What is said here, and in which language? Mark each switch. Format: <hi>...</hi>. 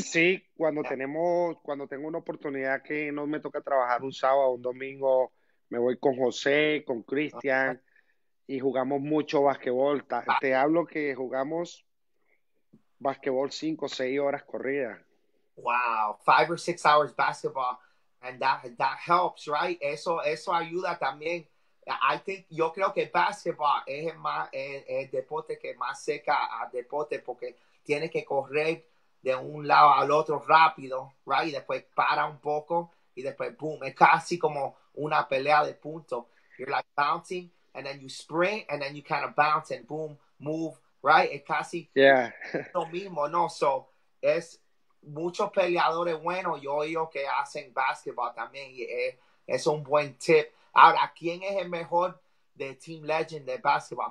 <es>Sí, sí, cuando tengo una oportunidad que no me toca trabajar un sábado, un domingo, me voy con José, con Cristian, y jugamos mucho basquetbol. Te hablo que jugamos basquetbol 5 o 6 horas corrida.</es> <en>Wow, 5 or 6 hours basketball, and that helps, right?</en> <es>Eso ayuda también.</es> <en>I think,</en> <es>yo creo que basketball es el deporte que más seca a deporte porque tiene que correr de un lado al otro rápido, right? Y después para un poco y después boom, es casi como una pelea de puntos.</es> <en>You're like bouncing and then you sprint and then you kind of bounce and boom, move, right?</en> <es>Es casi lo mismo, ¿no? So, es muchos peleadores buenos, yo oigo que hacen basketball también y es un buen tip. Ahora, ¿quién es el mejor de Team Legend de basketball?</es>